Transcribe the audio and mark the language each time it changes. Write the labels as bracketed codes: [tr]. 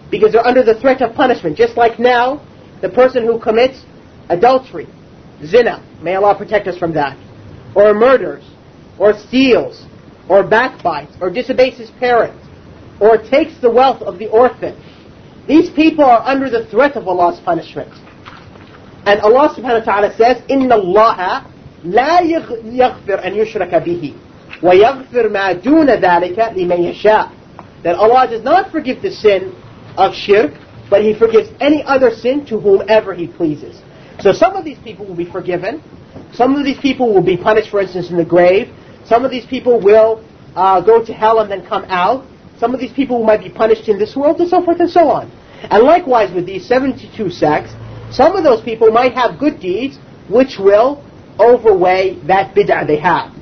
[en] Because they're under the threat of punishment. Just like now, the person who commits adultery, zina, may Allah protect us from that, or murders, or steals, or backbites, or disobeys his parents, or takes the wealth of the orphan. These people are under the threat of Allah's punishment. And Allah subhanahu wa ta'ala says, [ar] إِنَّ اللَّهَ لَا يَغْفِرْ أَنْ يُشْرَكَ بِهِ وَيَغْفِرْ مَا دُونَ ذَلِكَ لِمَنْ يَشَاءُ. [en] That Allah does not forgive the sin of shirk, but He forgives any other sin to whomever He pleases. So some of these people will be forgiven. Some of these people will be punished, for instance, in the grave. Some of these people will go to hell and then come out. Some of these people might be punished in this world, and so forth and so on. And likewise with these 72 sects, some of those people might have good deeds which will overweigh that bid'ah they have.